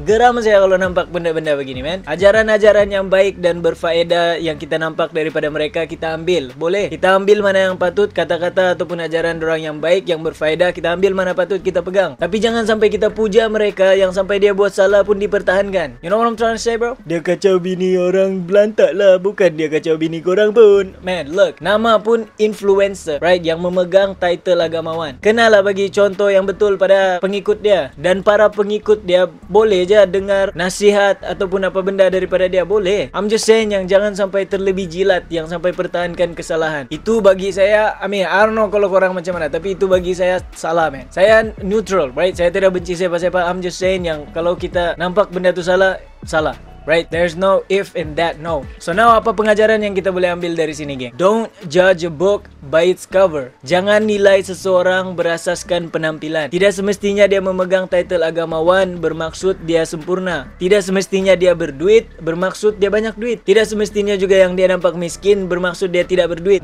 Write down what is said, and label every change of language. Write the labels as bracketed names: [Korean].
[Malay] Geram saya kalau nampak benda-benda begini man. Ajaran-ajaran yang baik dan berfaedah yang kita nampak daripada mereka, kita ambil. Boleh. Kita ambil mana yang patut, kata-kata ataupun ajaran dorang yang baik, yang berfaedah, kita ambil mana patut, kita pegang. Tapi jangan sampai kita puja mereka yang sampai dia buat salah pun dipertahankan. [English] You know what I'm trying to say bro? [Malay] Dia kacau bini orang belantak lah, bukan dia kacau bini korang pun. [English] Man, look. [Malay] Nama pun influencer, right? Yang memegang title agamawan. Kenalah bagi contoh yang betul pada pengikut dia. Dan para pengikut dia boleh je dengar nasihat ataupun apa benda daripada dia. Boleh. [English] I'm just saying [Malay] yang jangan sampai terlebih jilat yang sampai pertahankan kesalahan. Itu bagi saya, [English] I mean, I don't know [Malay] kalau korang macam mana. Tapi itu bagi saya salah, man. Saya neutral, right? Saya tidak benci siapa-siapa. [English] I'm just saying [Malay] yang kalau kita nampak benda itu salah, salah. [English] Right, there's no if in that, no. So now [Malay] apa pengajaran yang kita boleh ambil dari sini, geng? [English] Don't judge a book by its cover. [Malay] Jangan nilai seseorang berasaskan penampilan. Tidak semestinya dia memegang title agamawan bermaksud dia sempurna. Tidak semestinya dia berduit bermaksud dia banyak duit. Tidak semestinya juga yang dia nampak miskin bermaksud dia tidak berduit.